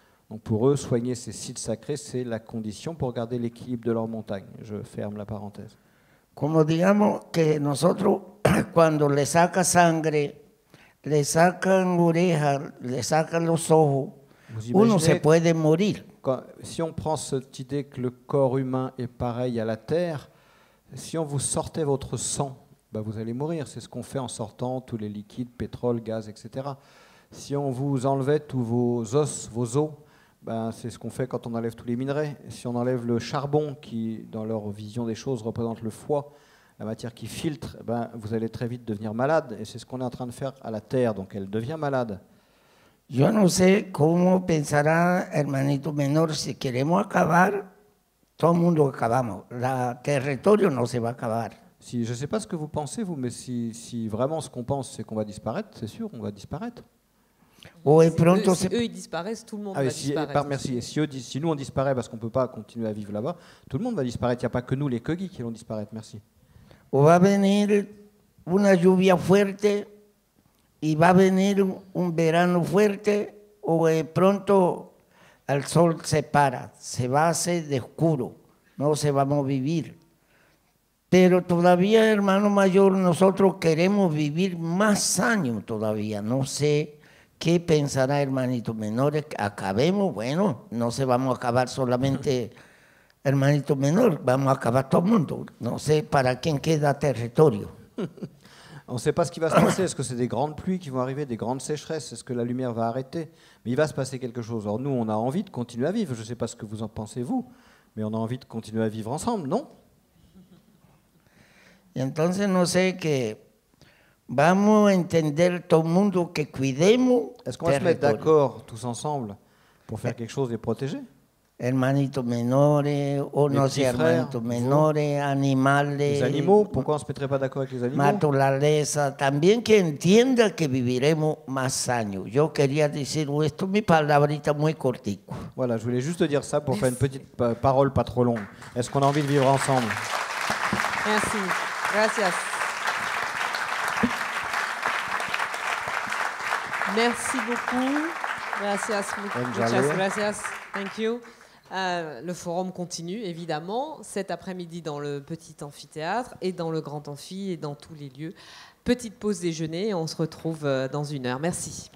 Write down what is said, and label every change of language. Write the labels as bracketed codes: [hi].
[fr] Donc pour eux, soigner ces sites sacrés, c'est la condition pour garder l'équilibre de leur montagne. Je ferme la parenthèse. [es] Comme digamos que nosotros, cuando le saca sangre, le sacan oreja, le sacan los ojos, uno se puede morir. [fr] Si on prend cette idée que le corps humain est pareil à la terre, si on vous sortait votre sang, ben vous allez mourir. C'est ce qu'on fait en sortant tous les liquides, pétrole, gaz, etc. Si on vous enlevait tous vos os, vos os, ben c'est ce qu'on fait quand on enlève tous les minerais. Si on enlève le charbon, qui, dans leur vision des choses, représente le foie, la matière qui filtre, ben vous allez très vite devenir malade. Et c'est ce qu'on est en train de faire à la terre, donc elle devient malade. [es] Yo no sé cómo pensará hermanito menor si queremos acabar todo mundo acabamos. La territorio no se va a acabar. [fr] Si je sais pas ce que vous pensez vous mais si vraiment ce qu'on pense c'est qu'on va disparaître, c'est sûr on va disparaître. Oui, pronto si eux ils disparaissent, tout le monde va disparaître. Par merci. Si nous on disparaît parce qu'on peut pas continuer à vivre là-bas, tout le monde va disparaître, il y a pas que nous les Kogi qui vont disparaître. Merci. [es] O va venir una lluvia fuerte. Y va a venir un verano fuerte o de pronto el sol se para, se va a hacer de oscuro, no se vamos a vivir. Pero todavía, hermano mayor, nosotros queremos vivir más años todavía. No sé qué pensará hermanito menor, acabemos, bueno, no se vamos a acabar solamente hermanito menor, vamos a acabar todo el mundo. No sé para quién queda territorio. [fr] On ne sait pas ce qui va se passer. Est-ce que c'est des grandes pluies qui vont arriver, des grandes sécheresses? Est-ce que la lumière va arrêter? Mais il va se passer quelque chose. Alors nous, on a envie de continuer à vivre. Je ne sais pas ce que vous en pensez, vous, mais on a envie de continuer à vivre ensemble, non? [es] Et entonces, no sé que vamos a entender todo mundo que cuidemos. [fr] Est-ce qu'on va se mettre d'accord tous ensemble pour faire quelque chose et protéger? [es] Hermanito menores, o les no sé, hermanito menores, vous, animales. [fr] Les animaux, pourquoi on ne se mettrait pas d'accord avec les animaux? [es] Naturaleza, también que entienda que viviremos más años. Yo quería decir esto, mi palabrita muy cortico. [fr] Voilà, je voulais juste dire ça pour faire une petite parole pas trop longue. Est-ce qu'on a envie de vivre ensemble? Merci, gracias. Merci beaucoup. [es] Gracias, muchas gracias. [en] Thank you. [fr] Le forum continue, évidemment, cet après-midi dans le petit amphithéâtre et dans le grand amphi et dans tous les lieux. Petite pause déjeuner, on se retrouve dans une heure. Merci.